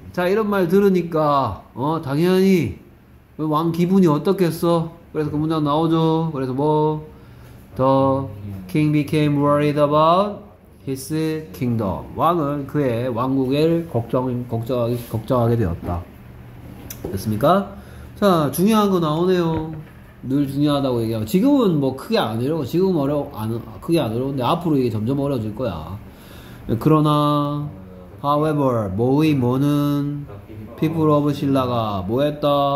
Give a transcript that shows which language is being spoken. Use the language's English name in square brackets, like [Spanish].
[Korean] 자, 이런 말 들으니까, 당연히, 왕 기분이 어떻겠어? 그래서 그 문장 나오죠. 그래서 뭐, [English] The king became worried about His kingdom. [Korean] 왕은 그의 왕국을 걱정하게 되었다. 됐습니까? 자, 중요한 거 나오네요. 늘 중요하다고 얘기하고. 지금은 뭐 크게 안 어려워. 지금은 크게 안 어려운데 앞으로 이게 점점 어려워질 거야. 그러나, however, 뭐의 뭐는 people of 신라가 뭐 했다?